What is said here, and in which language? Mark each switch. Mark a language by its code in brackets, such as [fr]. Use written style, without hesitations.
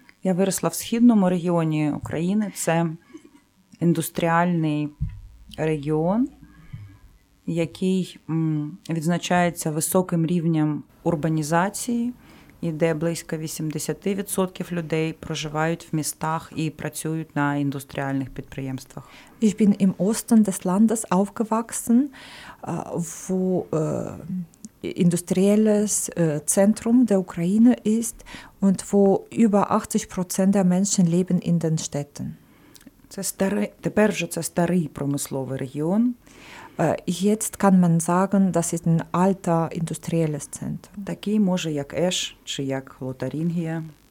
[uk] Я виросла в східному регіоні України. Це індустріальний регіон, який відзначається високим рівнем урбанізації, і де близько 80% людей проживають в містах і працюють на індустріальних підприємствах. [de] Ich bin im Osten des Landes aufgewachsen, wo industrielles Zentrum der Ukraine ist und wo über 80% der Menschen leben in den Städten. [uk] Це старий, тепер вже це старий промисловий регіон. [de] Jetzt kann man sagen, das ist ein alter industrielles Zentrum. [uk] Такий, може, як Еш чи як Лотарингія.